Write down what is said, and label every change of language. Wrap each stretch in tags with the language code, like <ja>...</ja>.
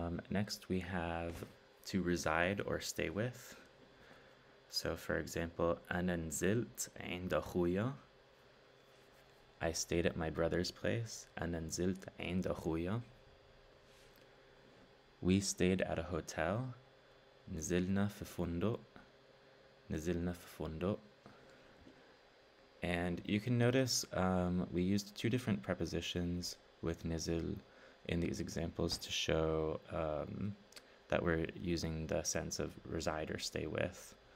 <en>Next we have to reside or stay with. So for example,</en> <ar>ana nzilt عند اخويا.</ar> <en>I stayed at my brother's place.</en> <ar>Ana nzilt عند اخويا.</ar> <en>We stayed at a hotel.</en> <ar>Nzilna في فندق. Nzilna في فندق.</ar> <en>And you can notice we used two different prepositions with nizil in these examples to show that we're using the sense of reside or stay with.</en>